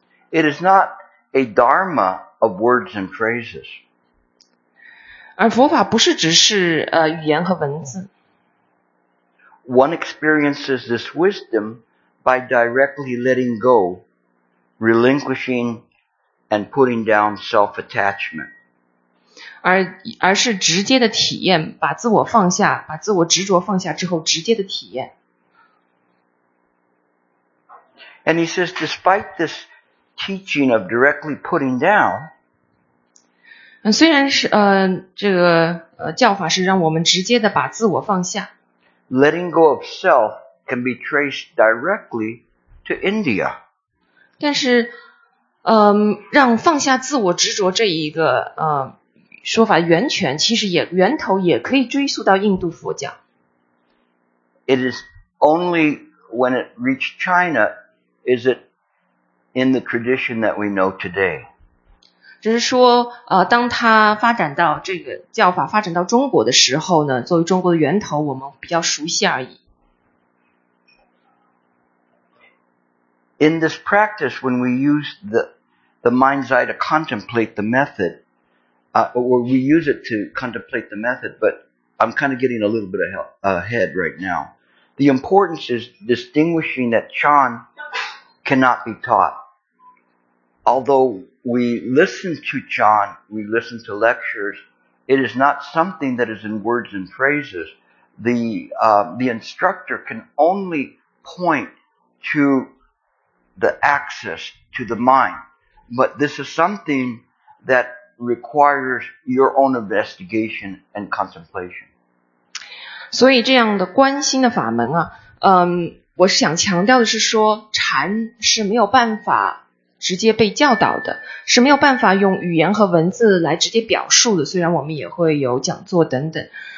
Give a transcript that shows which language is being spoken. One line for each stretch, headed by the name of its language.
English: It is not a dharma of words and phrases.
Chinese: 而佛法不是只是语言和文字。
English: One experiences this wisdom by directly letting go, relinquishing, and putting down self-attachment.
Chinese: 而是直接的体验，把自我放下，把自我执着放下之后，直接的体验。
English: And he says, despite this. Teaching of directly putting down.
Chinese: 虽然是这个教法是让我们直接的把自我放下。
English: Letting go of self can be traced directly to India.
Chinese: 但是让放下自我执着这一个说法源泉，其实也源头也可以追溯到印度佛教。
English: It is only when it reached China is it. In the tradition that we know today.
Chinese: 只是说当它发展到这个教法发展到中国的时候呢，作为中国的源头我们比较熟悉而已。
English: In this practice, when we use the mind's eye to contemplate the method, or we use it to contemplate the method, but I'm kind of getting a little bit ahead right now. The importance is distinguishing that Chan cannot be taught. Although we listen to Chan, we listen to lectures, it is not something that is in words and phrases. The instructor can only point to the access to the mind. But this is something that requires your own investigation and contemplation.
Chinese: 所以这样的观心的法门啊，我想强调的是说，禅是没有办法直接被教导的，是没有办法用语言和文字来直接表述的，虽然我们也会有讲座等等。